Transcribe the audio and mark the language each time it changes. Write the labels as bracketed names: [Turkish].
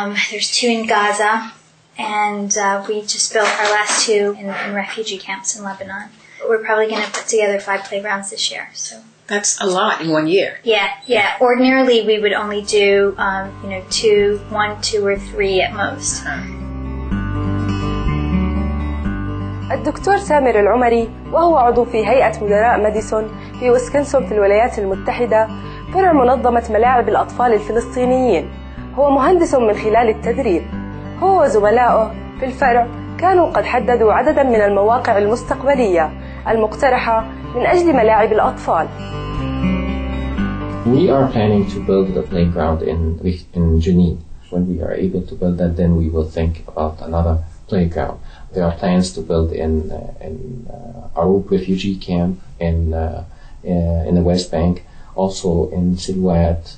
[English] There's 2 in Gaza, and we just built our last 2 in refugee camps in Lebanon. We're probably going to put together 5 playgrounds this year. So that's a lot in 1 year. Yeah. Ordinarily, we would only do, 2 or 3 at most. [Arabic] الدكتور سامر العمري، وهو عضو في هيئة مدراء ماديسون في ويسكنسون في الولايات المتحدة، فرع منظمة ملاعب الأطفال الفلسطينيين، هو مهندس من خلال التدريب. هو وزملاؤه في الفرع كانوا قد حددوا عددا من المواقع المستقبلية المقترحة من أجل ملاعب الأطفال. [English] We are planning to build the playground in Jenin. When we are able to build that, then we will think about another playground. There are plans to build in Arup refugee camp in the West Bank, also in Silwat.